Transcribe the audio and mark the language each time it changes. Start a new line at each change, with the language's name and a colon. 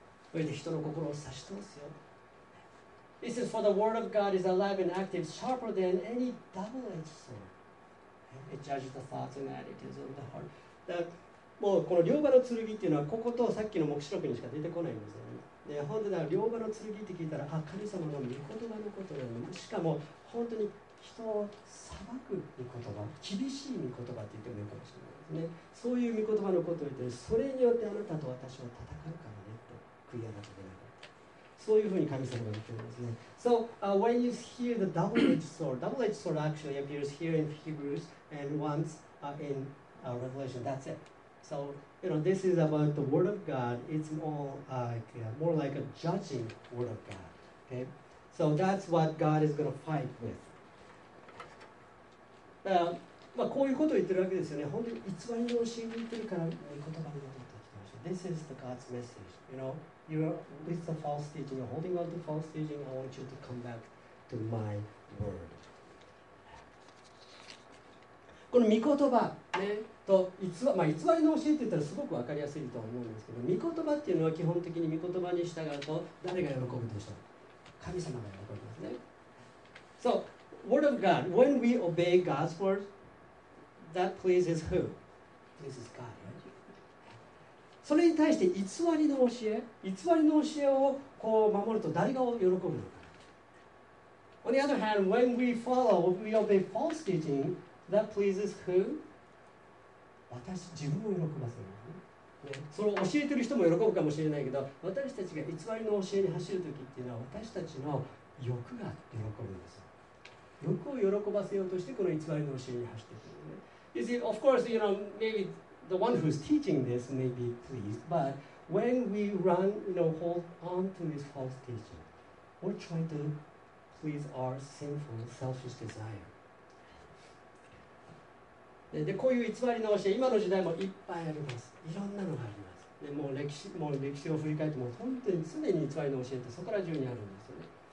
Japanese: それで人の心を刺し通すよ。
English: He says, for the word of God is alive and active, sharper than any double-edged sword. It judges the thoughts and attitudes of the heart.
Japanese: だもうこの両刃の剣っていうのは、こことさっきの黙示録にしか出てこないんですよね。で、本当に両刃の剣って聞いたら、あ、神様の御言葉のことだよね。しかも、本当に人を裁く御言葉、厳しい御言葉って言ってもいいかもしれないですね。そういう御言葉のことを言って、それによってあなたと私は戦うからねって、悔い改めない。そういうふうに神様が言っているんですね。
English: So, when you hear the double-edged sword, double-edged sword actually appears here in Hebrews and once in Revelation. That's it. So, you know, this is about the word of God. It's more like a judging word of God. Okay? So, that's what God is going to fight with.
Japanese: まあ、こういうことを言ってるわけですよね。本当に偽りの教えを言ってるから、言葉のことを言ってきてほしい。
English: This is the God's message, you know? You're with the false teaching, you're holding on to false teaching, I want you to come back to my word.
Japanese: この御言葉、ね、と偽、まあ、偽りの教えって言ったらすごく分かりやすいと思うんですけど、御言葉っていうのは基本的に御言葉に従うと誰が喜ぶでしょう。神様が喜びますね。
English: So, word of God, when we obey God's word, that pleases who? Pleases God, right?
Japanese: それに対して偽りの教え、偽りの教えをこう守ると誰が喜ぶのか。
English: On the other hand, when we follow, we obey false teaching, that pleases who?
Japanese: 私、自分も喜ばせる、ね。それを教えてる人も喜ぶかもしれないけど、私たちが偽りの教えに走るときっていうのは、私たちの欲が喜ぶんです。欲を喜ばせようとして、この偽りの教えに走っていくる、ね。
English: You see, of course, you know, maybe... The one who's teaching this may be pleased, but when we run, you know, hold on to this false teaching, we're trying to please our sinful, selfish desire.
Japanese: で、こういう偽りの教え、今の時代もいっぱいあります。いろんなのがあります。で、もう歴史を振り返っても、本当に常に偽りの教えってそこら中にあるんですよね。